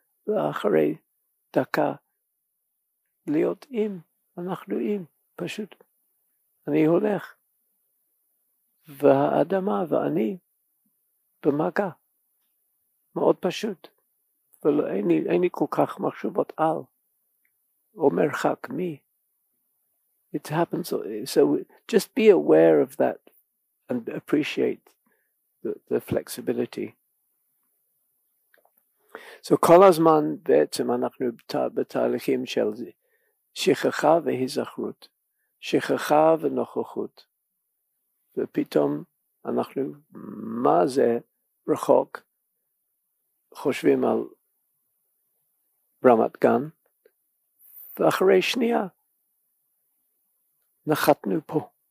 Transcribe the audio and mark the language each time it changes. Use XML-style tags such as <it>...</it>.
<he>ואחרי דקה, להיות עם, אנחנו עם, פשוט, אני הולך, והאדמה ואני, במגע, מאוד פשוט, ואין לי כל כך מחשובות על, או מרחק מי.</he> <en>It happens, so just be aware of that and appreciate the flexibility.</en> <he>So כל הזמן בעצם אנחנו בתהליכים של שכחה והיזכרות, שכחה ונוכחות, ופתאום אנחנו, מה זה רחוק, חושבים על רמת גן, ואחרי שנייה, נחתנו פה.</he>